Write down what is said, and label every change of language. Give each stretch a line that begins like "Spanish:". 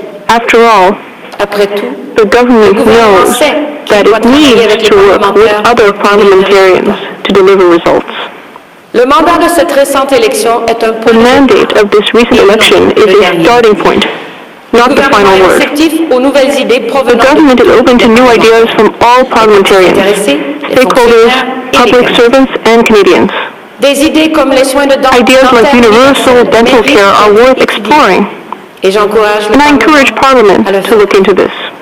English: After all, the government knows that it needs to work with other parliamentarians to deliver results.
French: Le mandat de cette récente élection est un
English: point. The mandate of this recent election is a starting point, not the final word. The government is open to new ideas from all parliamentarians, stakeholders, public servants, and Canadians. Ideas like universal dental care are worth exploring, and I encourage Parliament to look into this.